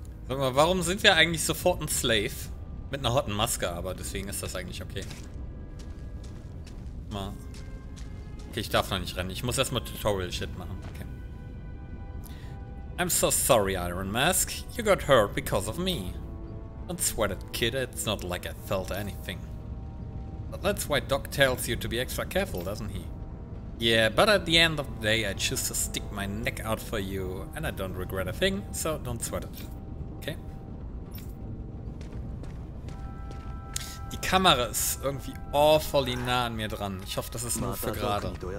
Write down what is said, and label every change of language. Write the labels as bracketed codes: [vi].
[de] Warte mal, warum sind wir eigentlich sofort ein Slave? Mit einer harten Maske, aber deswegen ist das eigentlich okay. Mal. Okay, ich darf noch nicht rennen. Ich muss erstmal Tutorial-Shit machen. [en] Okay. I'm so sorry, Iron Mask. You got hurt because of me. Don't sweat it, kid. It's not like I felt anything. But that's why Doc tells you to be extra careful, doesn't he? Yeah, but at the end of the day, I choose to stick my neck out for you, and I don't regret a thing, so don't sweat it. Okay? [de] Die Kamera ist irgendwie awfully nah an mir dran. Ich hoffe, das ist nur für gerade.